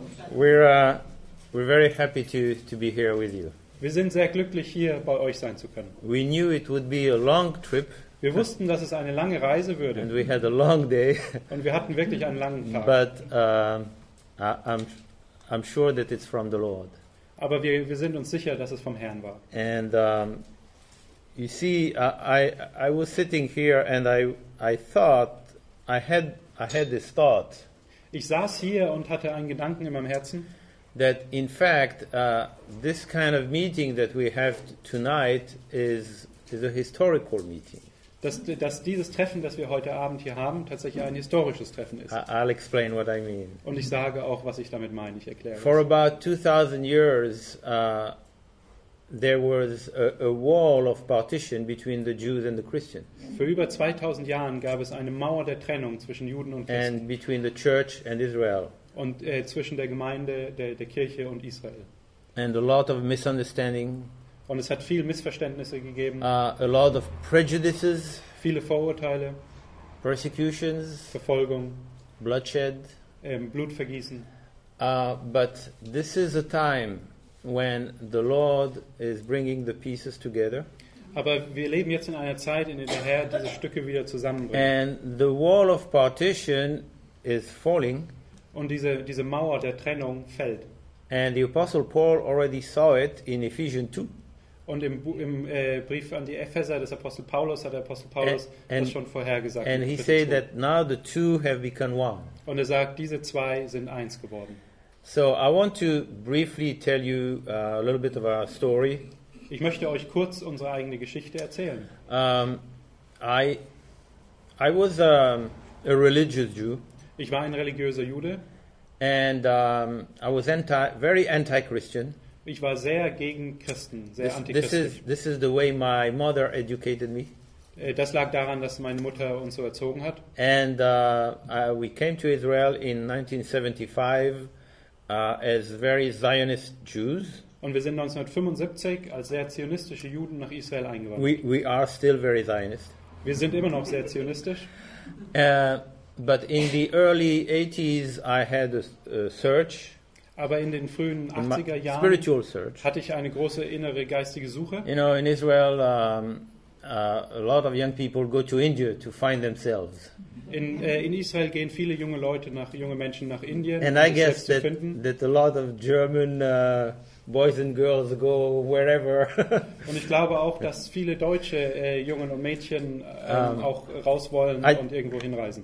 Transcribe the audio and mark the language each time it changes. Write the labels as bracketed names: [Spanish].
[English] We're very happy to be here with you. [German] Wir sind sehr glücklich, hier bei euch sein zu können. [English] We knew it would be a long trip. [German] Wir wussten, dass es eine lange Reise würde. [English] And we had a long day. [German] Und wir hatten wirklich einen langen Tag. [English] But I'm sure that it's from the Lord. [German] Aber wir sind uns sicher, dass es vom Herrn war. [English] And you see, I was sitting here and I thought I had this thought. [German] Ich saß hier und hatte einen Gedanken in meinem Herzen. [English] That in fact this kind of meeting that we have tonight is a historical meeting. [German] Dass dieses Treffen, das wir heute Abend hier haben, tatsächlich ein historisches Treffen ist. [English] I'll explain what I mean. [German] Und ich sage auch, was ich damit meine. Ich erkläre. [English] For about 2,000 years, there was a wall of partition between the Jews and the Christians. [German] Für über 2,000 Jahren gab es eine Mauer der Trennung zwischen Juden und Christen. [English] And between the church and Israel. [German] Und zwischen der Gemeinde, der Kirche und Israel. [English] And a lot of misunderstanding. [German] Und es hat viel Missverständnisse gegeben. [English] A lot of prejudices. [German] Viele Vorurteile. [English] Persecutions. [German] Verfolgung. [English] Bloodshed. [German] Blutvergießen. [English] But this is a time when the Lord is bringing the pieces together. [German] Aber wir leben jetzt in einer Zeit, in der der Herr diese Stücke wieder zusammenbringt. [English] And the wall of partition is falling. [German] Und diese Mauer der Trennung fällt. [English] And the Apostle Paul already saw it in Ephesians 2. [German] Und im Brief an die Epheser des Apostel Paulus hat der Apostel Paulus das schon vorhergesagt. [English] And he said that now the two have become one. [German] Und er sagt, diese zwei sind eins geworden. [English] So I want to briefly tell you a little bit of our story. [German] Ich möchte euch kurz unsere eigene Geschichte erzählen. [English] I was a religious Jew. [German] Ich war ein religiöser Jude. [English] And I was very anti-Christian. [German] Ich war sehr gegen Christen, sehr antichristlich. [English] This is the way my mother educated me. [German] Das lag daran, dass meine Mutter uns so erzogen hat. [English] And we came to Israel in 1975 as very Zionist Jews. [German] Und wir sind 1975 als sehr zionistische Juden nach Israel eingewandert. [English] We are still very Zionist. [German] Wir sind immer noch sehr zionistisch. [English] But in the early 80s I had a search. [German] Aber in den frühen 80er Jahren hatte ich eine große innere geistige Suche. [English] You know, in Israel, a lot of young people go to India to find themselves. [German] In Israel gehen viele junge Menschen nach Indien, [English] and um I guess [German] sich selbst zu finden. [English] That a lot of German boys and girls go wherever. [German] Und ich glaube auch, dass viele deutsche Jungen und Mädchen auch raus wollen und irgendwo hinreisen.